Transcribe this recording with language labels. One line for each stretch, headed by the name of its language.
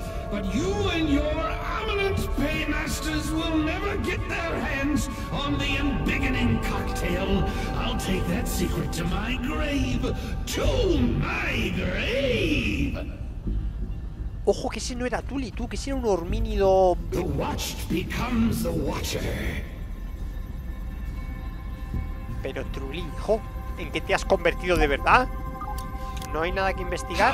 English: But you and your eminent paymasters will never get their hands on the embiggening cocktail. I'll take that secret to my grave. To my grave!
Spanish: Ojo, que ese no era Tuli, tú, que ese era un hormínido...
English: The watched becomes the watcher.
Spanish: Pero Tuli, hijo, ¿en qué te has convertido de verdad? ¿No hay nada que investigar?